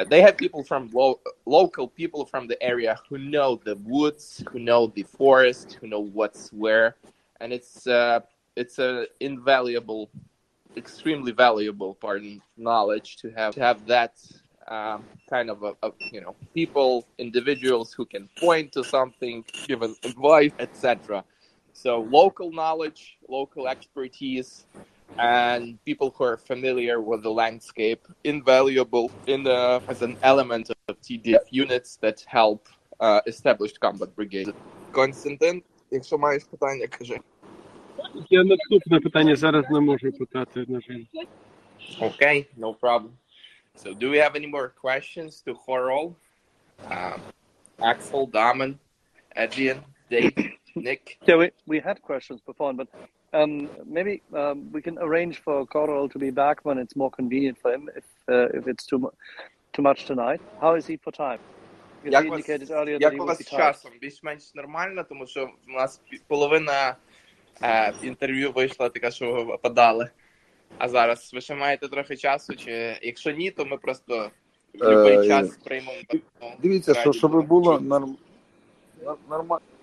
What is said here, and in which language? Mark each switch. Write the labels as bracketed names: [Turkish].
[English] They have people from local people from the area who know the woods, who know the forest, who know what's where, and it's a invaluable, extremely valuable, pardon, knowledge to have that kind of a, you know, people, individuals who can point to something, give an advice, etc. So local knowledge, local expertise, and people who are familiar with the landscape, invaluable in the, as an element of TDF units that help established combat brigades. [Ukrainian] Константин, якщо маєш питання, кажи. Я наступне питання зараз не можу питати, на жаль. [English] Okay, no problem. So, do we have any more questions to Khorol, Axel, Damon, Adrian, Dave, Nick? Yeah, we had questions before, but maybe we can arrange for Khorol to be back when it's more convenient for him, if it's too much tonight. How is he for time? [Ukrainian] Як [English] he indicated earlier that he was [Ukrainian] часом? Більш-менш нормально, тому що у нас половина інтерв'ю вийшла така, що випадали. А зараз ви ще маєте трохи часу, чи якщо ні, то ми просто будь-який час приймемо. Дивіться, що щоб було нормально.